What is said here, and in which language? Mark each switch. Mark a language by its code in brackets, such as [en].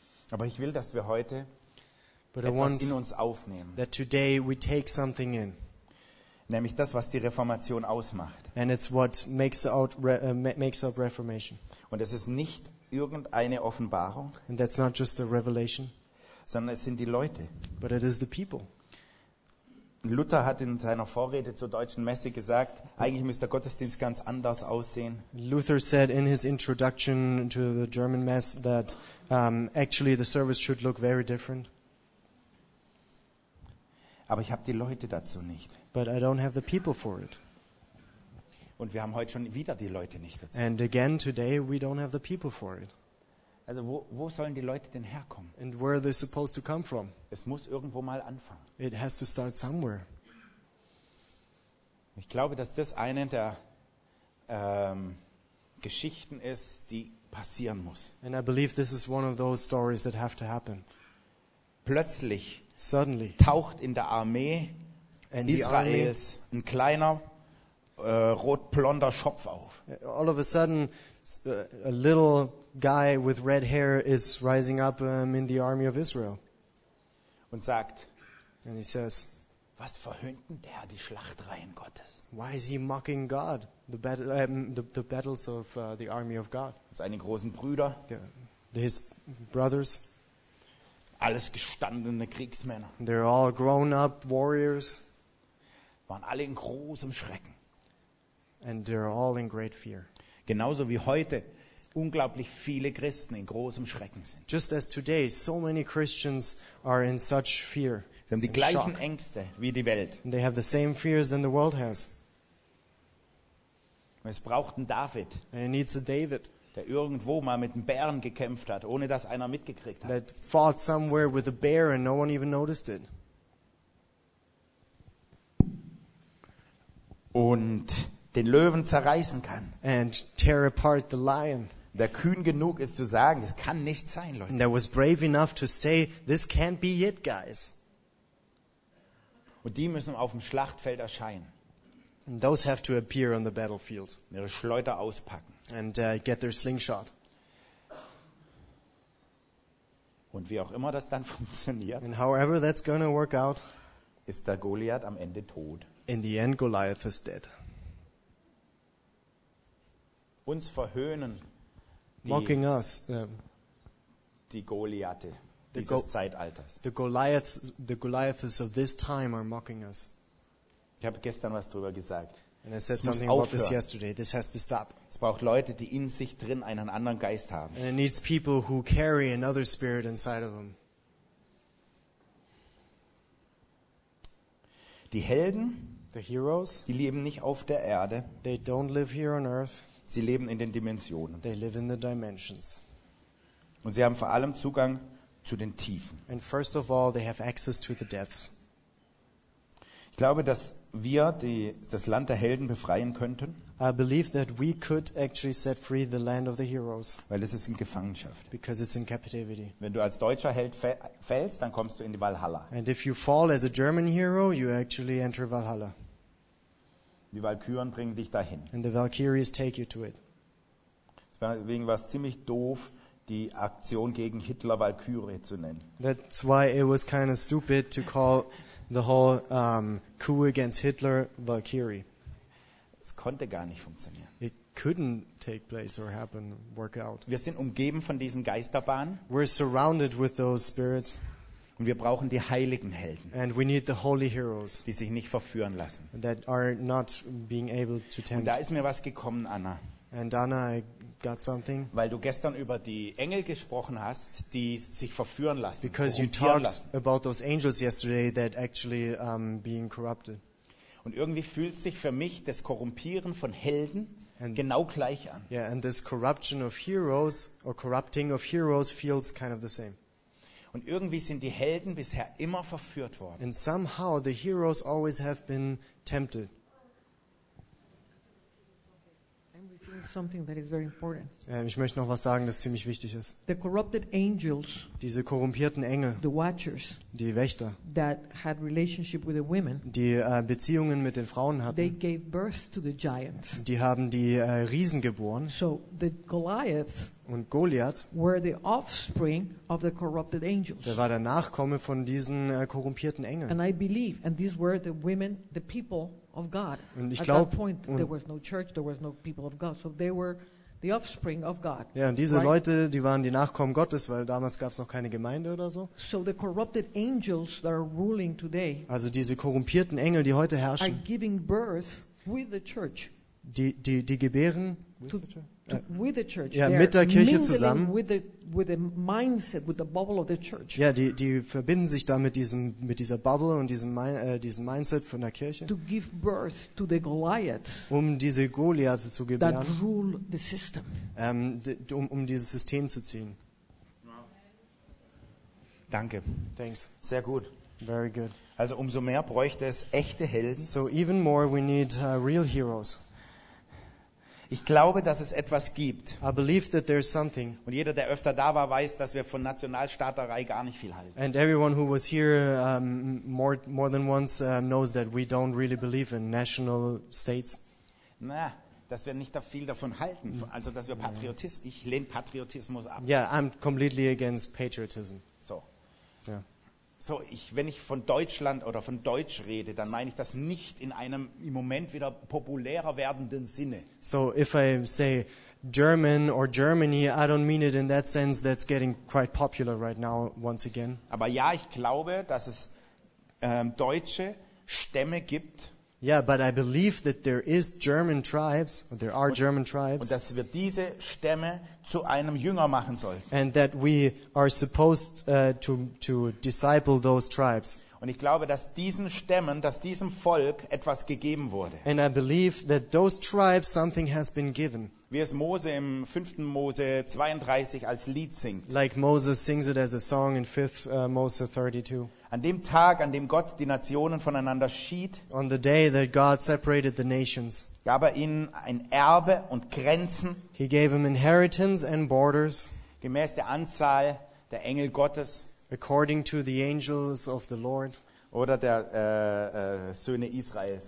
[de] Aber ich will, dass wir heute etwas in uns aufnehmen. [en] That today we take something in. [de] Nämlich das, was die Reformation ausmacht. [en] And it's what makes out makes up Reformation. [de] Und es ist nicht irgendeine Offenbarung. [en] And that's not just a revelation. [de] Sondern es sind die Leute. [en] But it is the people. [de] Luther hat in seiner Vorrede zur deutschen Messe gesagt, eigentlich müsste der Gottesdienst ganz anders aussehen. [en] Luther said in his introduction to the German Mass that actually the service should look very different. [de] Aber ich habe die Leute dazu nicht. [en] But I don't have the people for it. [de] Und wir haben heute schon wieder die Leute nicht dazu. [en] And again today we don't have the people for it. [de] Also wo sollen die Leute denn herkommen? [en] And where are they supposed to come from? [de] Es muss irgendwo mal anfangen. [en] It has to start somewhere. [de] Ich glaube, dass das eine der Geschichten ist, die passieren muss. [en] And I believe this is one of those stories that have to happen. [de] Plötzlich, [en] suddenly, [de] taucht in der Armee in Israels ein kleiner rot-blonder Schopf auf. [en] All of a sudden, a little guy with red hair is rising up in the army of Israel. [de] Und sagt, [en] and he says, [de] was verhöhnt denn der die Schlachtreihen Gottes? [en] Why is he mocking God? The battles of the army of God. [de] Seine großen Brüder. [en] His brothers. [de] Alles gestandene Kriegsmänner. [en] They're all grown up warriors. [de] Waren alle in großem Schrecken. [en] And they're all in great fear. [de] Genauso wie heute unglaublich viele Christen in großem Schrecken sind. [en] Just as today, so many Christians are in such fear. [de] Sie haben die gleichen Ängste wie die Welt. [en] And they have the same fears than the world has. [de] Es braucht einen David. [en] And it needs a David. [de] Der irgendwo mal mit einem Bären gekämpft hat, ohne dass einer mitgekriegt hat. [en] That fought somewhere with a bear and no one even noticed it. [de] Und den Löwen zerreißen kann. [en] And tear apart the lion. [de] Der kühn genug ist zu sagen, es kann nicht sein, Leute. [en] And there was brave enough to say, this can't be it, guys. [de] Und die müssen auf dem Schlachtfeld erscheinen. [en] And those have to appear on the battlefield. [de] Ihre Schleuder auspacken. [en] And get their slingshot. [de] Und wie auch immer das dann funktioniert. [en] And however that's gonna work out, [de] ist der Goliath am Ende tot. [en] In the end, Goliath is dead. [de] Uns verhöhnen. [en] Mocking us. [de] Die Goliathe dieses Zeitalters. [en] The Goliaths of this time are mocking us. [de] Ich habe gestern was drüber gesagt. [en] And I said something about this yesterday. This has to stop. [de] Es braucht Leute, die in sich drin einen anderen Geist haben. [en] And it needs people who carry another spirit inside of them. [de] Die Helden, [en] the heroes, [de] die leben nicht auf der Erde. [en] They don't live here on earth. [de] Sie leben in den Dimensionen. [en] They live in the dimensions. [de] Und sie haben vor allem Zugang zu den Tiefen. [en] And first of all, they have access to the depths. [de] Ich glaube, dass wir das Land der Helden befreien könnten. [en] I believe that we could actually set free the land of the heroes. [de] Weil es ist in Gefangenschaft. [en] Because it's in captivity. [de] Wenn du als deutscher Held fällst, dann kommst du in die Valhalla. [en] And if you fall as a German hero, you actually enter Valhalla. [de] Die Valkyren bringen dich dahin. [en] And the Valkyries take you to it. [de] Deswegen war es ziemlich doof, die Aktion gegen Hitler Valkyrie zu nennen. [en] That's why it was kind of stupid to call the whole coup against Hitler Valkyrie. [de] Es konnte gar nicht funktionieren. [en] It couldn't take place or happen, work out. [de] Wir sind umgeben von diesen Geisterbahnen. [en] We're surrounded with those spirits. [de] Und wir brauchen die heiligen Helden. [en] And we need the holy heroes, [de] die sich nicht verführen lassen. [en] That are not being able to tempt. [de] Und da ist mir was gekommen, Anna. [en] And Anna, I got something. [de] Weil du gestern über die Engel gesprochen hast, die sich verführen lassen. [en] Because you talked about those angels yesterday that actually being corrupted. [de] Und irgendwie fühlt sich für mich das Korrumpieren von Helden genau gleich an. [en] Yeah, and this corruption of heroes or corrupting of heroes feels kind of the same. [de] Und irgendwie sind die Helden bisher immer verführt worden. [en] And somehow the heroes always have been tempted. I'm receiving something that is very important. [de] Ich möchte noch was sagen, das ziemlich wichtig ist. [en] The corrupted angels, [de] diese korrumpierten Engel, [en] the watchers, [de] die Wächter, [en] that had relationship with the women, [de] die Beziehungen mit den Frauen hatten, [en] they gave birth to the giants. [de] Die haben die Riesen geboren. [en] So the Goliaths, [de] und Goliath, [en] were the offspring of the corrupted angels. [de] Der war der Nachkomme von diesen korrumpierten Engeln. [en] And I believe, and these were the women, the people of God. [de] Und ich glaube, [en] at that point there was no church, there was no people of God, so they were the offspring of God. [de] Ja, und diese Leute, die waren die Nachkommen Gottes, weil damals gab es noch keine Gemeinde oder so. [en] So the corrupted angels that are ruling today, [de] also diese korrumpierten Engel, die heute herrschen, [en] are giving birth with the church. [de] Die gebären [en] with the church. With the church. [de] Ja, mit der Kirche zusammen. [en] With the mindset, with the bubble of the church. [de] Ja, die verbinden sich da mit dieser Bubble und diesem Mindset von der Kirche. [en] To give birth to the Goliath, [de] um diese Goliath zu gebären. [en] That rule the system. [de] Um dieses System zu ziehen. Danke. [en] Thanks. [de] Sehr gut. [en] Very good. [de] Also umso mehr bräuchte es echte Helden. [en] So even more we need real heroes. [de] Ich glaube, dass es etwas gibt. [en] I believe that there is something. [de] Und jeder, der öfter da war, weiß, dass wir von Nationalstaaterei gar nicht viel halten. [en] And everyone who was here more than once knows that we don't really believe in national states. [de] Na, dass wir nicht da viel davon halten. Also, dass wir Patriotismus, ich lehne Patriotismus ab. [en] Yeah, I'm completely against patriotism. [de] So. [en] Yeah. [de] So, wenn ich von Deutschland oder von Deutsch rede, dann meine ich das nicht in einem im Moment wieder populärer werdenden Sinne. [en] So, if I say German or Germany, I don't mean it in that sense that's getting quite popular right now once again. [de] Aber ja, ich glaube, dass es deutsche Stämme gibt. [en] Yeah, but I believe that there is German tribes, or there are German tribes. [de] Und dass wir diese Stämme zu einem Jünger machen sollten. [en] And that we are supposed to disciple those tribes. [de] Und ich glaube, dass diesen Stämmen, dass diesem Volk etwas gegeben wurde. [en] And I believe that those tribes something has been given. [de] Wie es Mose im 5. Mose 32 als Lied singt. [en] Like Moses sings it as a song in 5th Moses 32. [de] An dem Tag, an dem Gott die Nationen voneinander schied, [en] on the day that God separated the nations, [de] gab er ihnen ein Erbe und Grenzen, [en] he gave them inheritance and borders, [de] gemäß der Anzahl der Engel Gottes, [en] according to the angels of the Lord, [de] oder der Söhne Israels.